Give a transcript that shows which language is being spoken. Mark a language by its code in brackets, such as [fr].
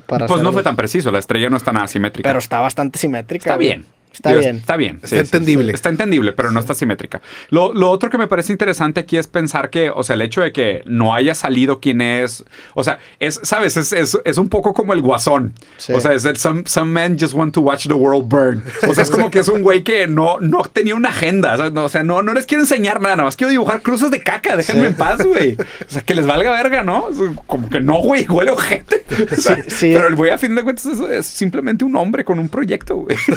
[es] pues hacerlo? No fue tan preciso. La estrella no está nada simétrica. Pero está bastante simétrica. Está bien. Está bien. Está bien. Sí, está entendible. Está entendible, pero no está simétrica. Lo otro que me parece interesante aquí es pensar que, o sea, el hecho de que no haya salido quién es... O sea, es, ¿sabes? Es un poco como el guasón. Sí. O sea, es el [en] some men just want to watch the world burn. [es] O sea, es como que es un güey que no tenía una agenda. O sea, no les quiero enseñar nada. Nada más quiero dibujar cruces de caca. Déjenme en paz, güey. O sea, que les valga verga, ¿no? Como que no, güey. Huele ojete. O sea, sí. Pero el güey, a fin de cuentas, es simplemente un hombre con un proyecto, güey.